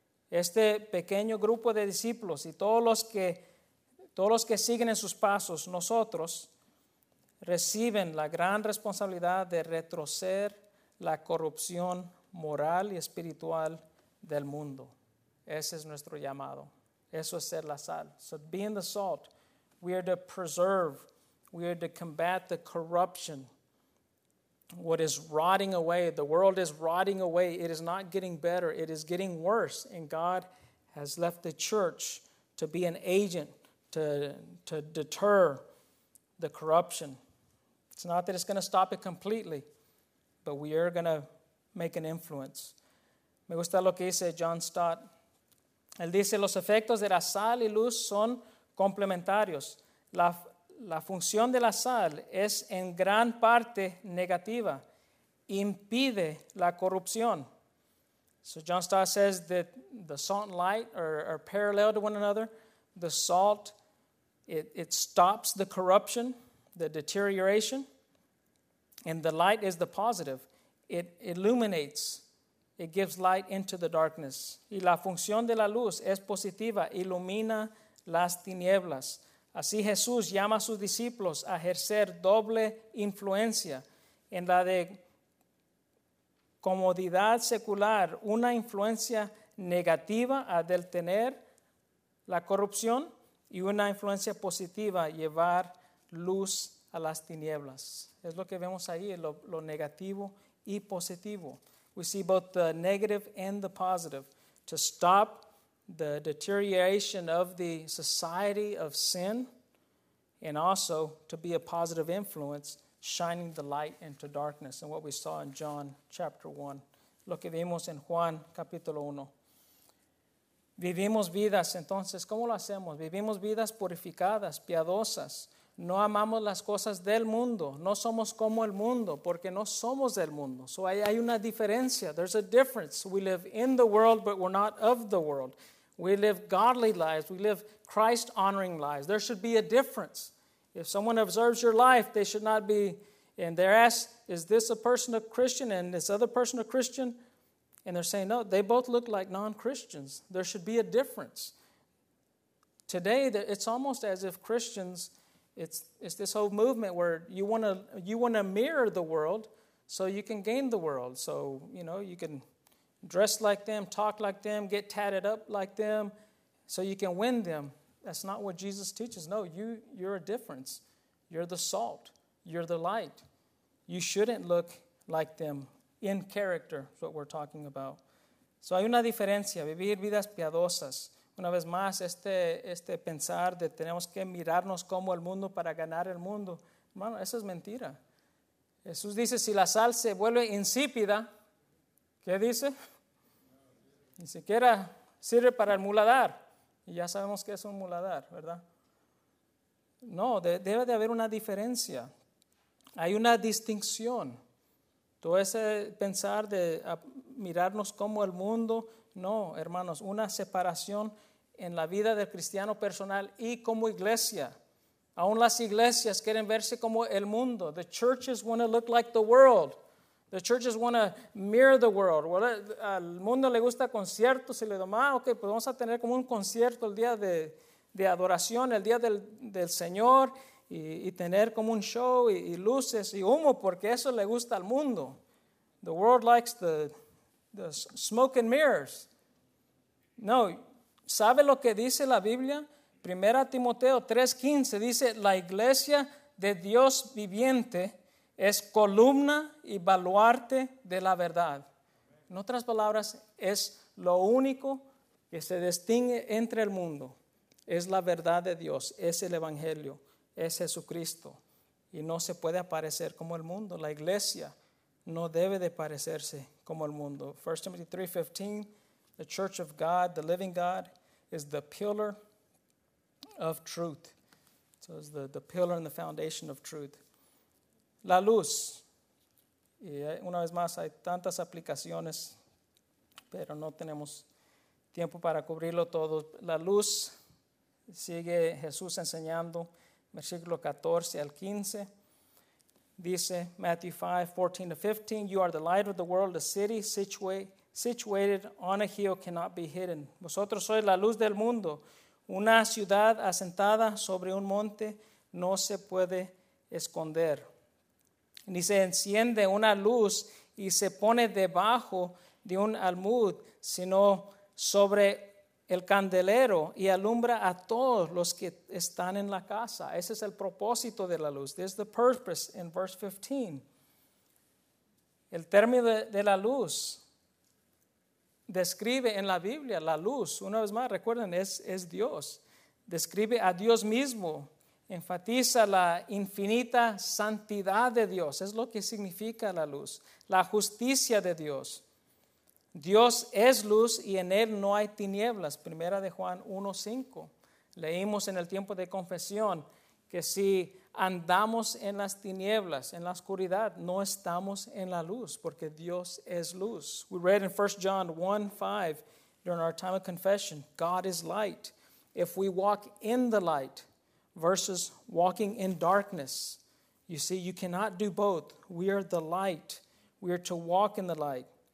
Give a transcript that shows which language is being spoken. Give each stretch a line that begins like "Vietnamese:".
Spanish: Este pequeño grupo de discípulos y todos los que siguen en sus pasos, nosotros, reciben la gran responsabilidad de retroceder la corrupción moral y espiritual del mundo. Ese es nuestro llamado. Eso es ser la sal.
English: So being the salt, we are to preserve, we are to combat the corruption. What is rotting away, the world is rotting away. It is not getting better, it is getting worse. And God has left the church to be an agent to deter the corruption. It's not that it's going to stop it completely, but we are going to make an influence.
Spanish: Me gusta lo que dice John Stott. Él dice, los efectos de la sal y luz son complementarios. La función de la sal es en gran parte negativa. Impide la corrupción.
English: So John Stott says that the salt and light are parallel to one another. The salt, it stops the corruption, the deterioration. And the light is the positive. It illuminates. It gives light into the darkness.
Spanish: Y la función de la luz es positiva, ilumina las tinieblas. Así Jesús llama a sus discípulos a ejercer doble influencia, en la de comodidad secular, una influencia negativa a detener la corrupción y una influencia positiva llevar luz a las tinieblas. Es lo que vemos ahí, lo negativo y positivo.
English: We see both the negative and the positive. To stop the deterioration of the society of sin, and also to be a positive influence, shining the light into darkness. And what we saw in John chapter 1.
Spanish: Lo que vimos en Juan capítulo 1. Vivimos vidas, entonces, ¿cómo lo hacemos? Vivimos vidas purificadas, piadosas. No amamos las cosas del mundo. No somos como el mundo, porque no somos del mundo. So hay una diferencia.
English: There's a difference. We live in the world, but we're not of the world. We live godly lives. We live Christ-honoring lives. There should be a difference. If someone observes your life, they should not be, and they're asked, is this a person a Christian, and this other person a Christian? And they're saying, no, they both look like non-Christians. There should be a difference. Today, it's almost as if Christians... It's this whole movement where you want to mirror the world so you can gain the world. So, you know, you can dress like them, talk like them, get tatted up like them so you can win them. That's not what Jesus teaches. No, you're a difference. You're the salt. You're the light. You shouldn't look like them. In character is what we're talking about.
Spanish: So hay una diferencia. Vivir vidas piadosas. Una vez más, este pensar de tenemos que mirarnos como el mundo para ganar el mundo. Hermano, eso es mentira. Jesús dice, si la sal se vuelve insípida, ¿qué dice? Ni siquiera sirve para el muladar. Y ya sabemos que es un muladar, ¿verdad? No, debe de haber una diferencia. Hay una distinción. Todo ese pensar de mirarnos como el mundo, no, hermanos, una separación en la vida del cristiano personal y como iglesia. Aún las iglesias quieren verse como el mundo.
English: The churches want to look like the world. The churches want to mirror the world.
Spanish: Well, al mundo le gusta conciertos y le dicen, ah, ok, pues vamos a tener como un concierto el día de adoración, el día del Señor, y tener como un show y luces y humo, porque eso le gusta al mundo.
English: The world likes the smoke and mirrors.
Spanish: No, ¿sabe lo que dice la Biblia? Primera Timoteo 3:15 dice, la iglesia de Dios viviente es columna y baluarte de la verdad. En otras palabras, es lo único que se distingue entre el mundo. Es la verdad de Dios, es el Evangelio, es Jesucristo. Y no se puede aparecer como el mundo. La iglesia no debe de parecerse como el mundo.
English: 1 Timothy 3:15, the church of God, the living God, is the pillar of truth. So it's the pillar and the foundation of truth.
Spanish: La luz. Y una vez más, hay tantas aplicaciones, pero no tenemos tiempo para cubrirlo todo. La luz, sigue Jesús enseñando, versículo 14 al 15.
English: Dice, Matthew 5:14-15, you are the light of the world, a city situated on a hill cannot be hidden.
Spanish: Vosotros sois la luz del mundo. Una ciudad asentada sobre un monte no se puede esconder. Ni se enciende una luz y se pone debajo de un almud, sino sobre el candelero y alumbra a todos los que están en la casa. Ese es el propósito de la luz.
English: This is the purpose in verse 15.
Spanish: El término de la luz describe en la Biblia la luz. Una vez más, recuerden, es Dios. Describe a Dios mismo. Enfatiza la infinita santidad de Dios. Es lo que significa la luz. La justicia de Dios. Dios es luz y en él no hay tinieblas. Primera de Juan 1:5. Leímos en el tiempo de confesión que si andamos en las tinieblas, en la oscuridad, no estamos en la luz porque Dios es luz.
English: We read in 1 John 1:5 during our time of confession, God is light. If we walk in the light versus walking in darkness, you see, you cannot do both. We are the light. We are to walk in the light.